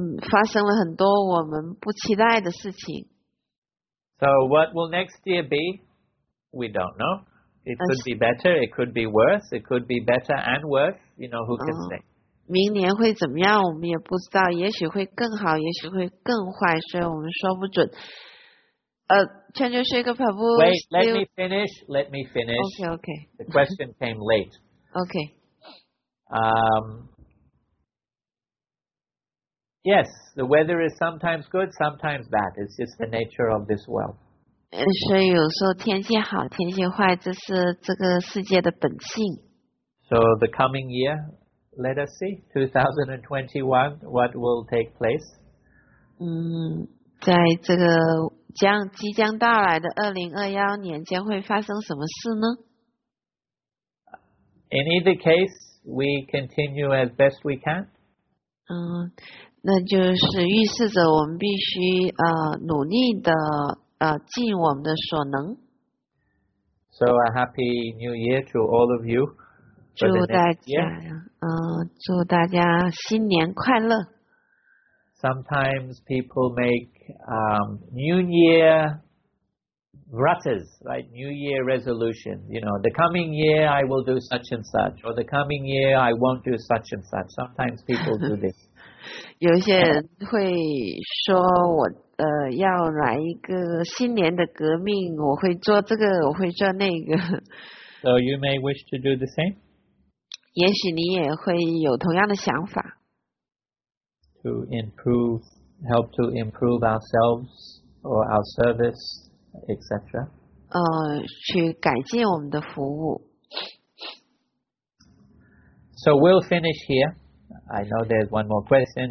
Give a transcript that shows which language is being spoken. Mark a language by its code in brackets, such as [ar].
[zh] 发生了很多我们不期待的事情。 [en] So what will next year be? We don't know. It could be better, it could be worse, it could be better and worse. You know, who can say? [zh] 明年会怎么样我们也不知道，也许会更好，也许会更坏，所以我们说不准。全球是一个跑步。 [en] Wait, let me finish, let me finish. Okay, okay. The question came late. Okay. Yes, the weather is sometimes good, sometimes bad. It's just the nature of this world. [zh] 所以有时候天气好，天气坏，这是这个世界的本性。 [en] So the coming year,Let us see, 2021, what will take place? [zh] 在这个即将到来的2021年将会发生什么事呢? [en] In either case, we continue as best we can. [zh] 那就是预示着我们必须努力的尽我们的所能。 [en] So a happy new year to all of you. [zh] 祝大家新年快乐。 [en] Sometimes people make New Year rutters, right? New Year resolutions. You know, the coming year I will do such and such, or the coming year I won't do such and such. Sometimes people do this. [zh] 有些人会说我要来一个新年的革命，我会做这个，我会做那个。 [en] So you may wish to do the same? [zh] 也许你也会有同样的想法。 [en] To improve, help to improve ourselves or our service, etc. [zh] 去改进我们的服务。 [en] So we'll finish here. I know there's one more question.